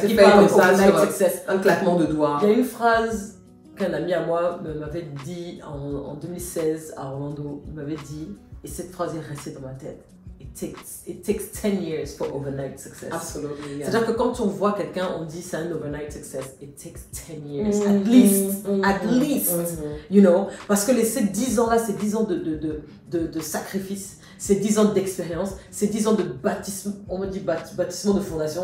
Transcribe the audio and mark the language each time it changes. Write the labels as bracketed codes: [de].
[fr] c'est fait comme ça, [en] overnight success. [fr] Un claquement de doigts. Il y a une phrase qu'un ami à moi m'avait dit en 2016 à Orlando. Il m'avait dit, et cette phrase est restée dans ma tête. [en] It takes 10 years for overnight success. Absolutely, yeah. [fr] C'est-à-dire que quand on voit quelqu'un, on dit c'est un [en] overnight success. It takes 10 years, [fr] mm-hmm. [en] at least, [fr] mm-hmm. [en] You know, [fr] parce que ces 10 ans-là, c'est 10 ans de sacrifice, c'est 10 ans d'expérience, c'est 10 ans de bâtissement, on me dit bâtissement de fondation.